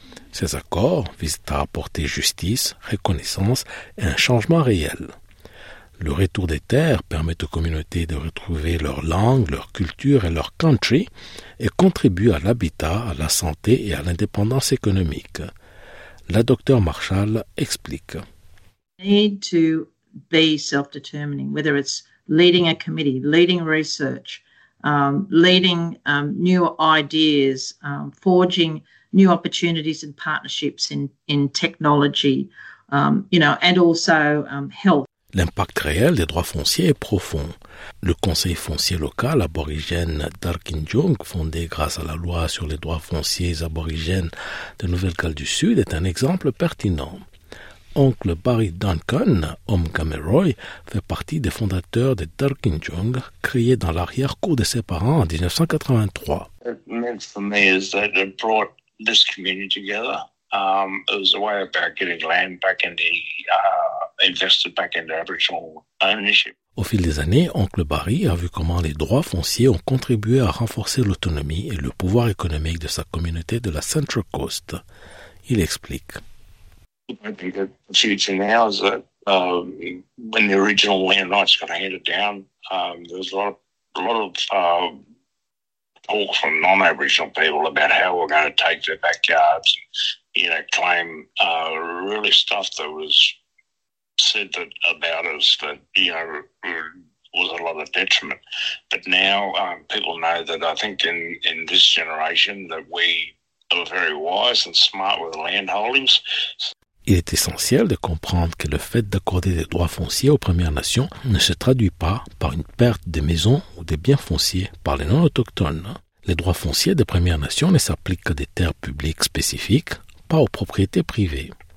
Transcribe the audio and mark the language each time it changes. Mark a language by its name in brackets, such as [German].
[French] Ces accords visent à apporter justice, reconnaissance et un changement réel. Le retour des terres permet aux communautés de retrouver leur langue, leur culture et leur country et contribue à l'habitat, à la santé et à l'indépendance économique. La docteure Marshall explique. [English] Need to be self-determining, whether it's leading a committee, leading research, leading new ideas, forging new opportunities and partnerships in technology, and also health. [French] L'impact réel des droits fonciers est profond. Le conseil foncier local aborigène Darkinjong, fondé grâce à la loi sur les droits fonciers aborigènes de Nouvelle-Galles du Sud, est un exemple pertinent. Oncle Barry Duncan, homme Gameroy, fait partie des fondateurs de Darkinjong, créé dans l'arrière-cour de ses parents en 1983. [English] It meant for me is that it brought this community together. It was a way about getting land back in the invested back in the Aboriginal ownership. [French] Au fil des années, Oncle Barry a vu comment les droits fonciers ont contribué à renforcer l'autonomie et le pouvoir économique de sa communauté de la Central Coast. Il explique. [English] I think the future now is that when the original land rights got handed down, there was a lot of talk from non-Aboriginal people about how we're going to take their backyards, claim really stuff that was said that about us that was a lot of detriment. But now people know that I think in this generation that we are very wise and smart with land holdings. [French] Il est essentiel de comprendre que le fait d'accorder des droits fonciers aux Premières Nations ne se traduit pas par une perte de maisons ou des biens fonciers par les non-autochtones. Les droits fonciers des Premières Nations ne s'appliquent qu'à des terres publiques spécifiques, pas aux propriétés privées.